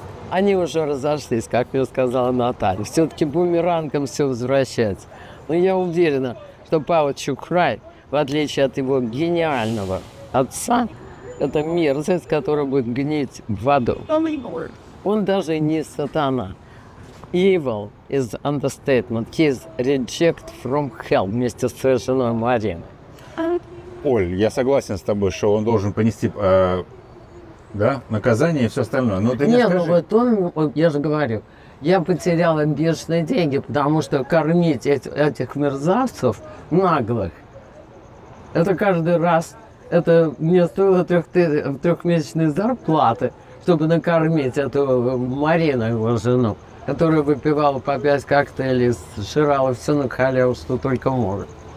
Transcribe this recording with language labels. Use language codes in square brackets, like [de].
[ru] Они уже разошлись, как мне сказала Наталья. Все-таки бумерангом все возвращается. Но я уверена, что Павел Чухрай, в отличие от его гениального отца, это мерзость, которая будет гнить в аду. Он даже не сатана. [en] Evil is understatement. He is reject from hell [ru] вместе с своей женой Мариной. Оль, я согласен с тобой, что он должен понести... Да, наказание и все остальное. Но ты не скажи. Нет, ну вот он, я же говорю, я потеряла бешеные деньги, потому что кормить этих мерзавцев наглых, это каждый раз, это мне стоило трехмесячной зарплаты, чтобы накормить эту Марину, его жену, которая выпивала по 5 коктейлей, сжирала все на халяву, что только может.